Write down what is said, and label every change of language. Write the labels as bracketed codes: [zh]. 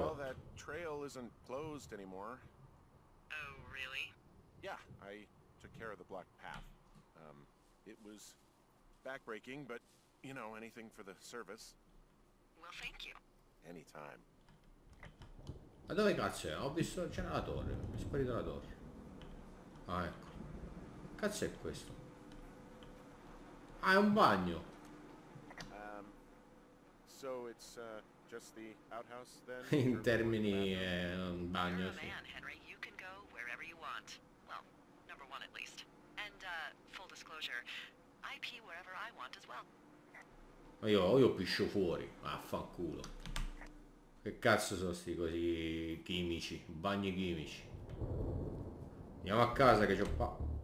[en] Well, that trail isn't closed anymore. Oh, really? Yeah, I took care of the blocked path. It was backbreaking, but you know, anything for the service. Well, thank you. Anytime. [it] Ma dove cazzo è? Ho visto, c'è la torre, è sparita la torre. Ah, ecco. Cazzo è questo? Ah, è un bagno. [en] So it's just the outhouse then. [it] In termini è un bagno, sì. [en] You're a man, Henry. You can go wherever you want. Well, number one at least. And full disclosure, I pee wherever I want as well. [it] Ma io piscio fuori. Vaffanculo. Che cazzo sono sti così chimici, bagni chimici. Andiamo a casa che c'ho qua.